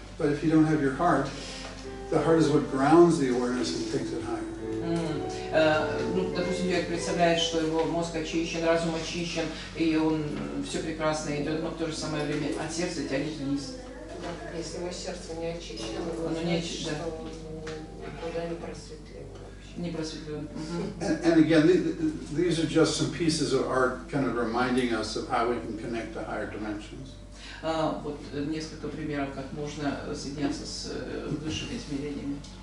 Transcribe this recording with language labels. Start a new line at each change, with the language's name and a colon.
English: But if you don't have your heart, the heart is what grounds the awareness and takes it higher.
Russian: Допустим, человек представляет, что его мозг очищен, разум очищен, и он все прекрасно идет, но в то же самое время от сердца тянет вниз. Если его сердце не очищено, оно не очищено, никуда не просветлено.
English: And again, these are just some pieces of art, kind of reminding us of how we can connect to higher dimensions.
Russian: Вот несколько примеров, как можно соединяться с высшими измерениями.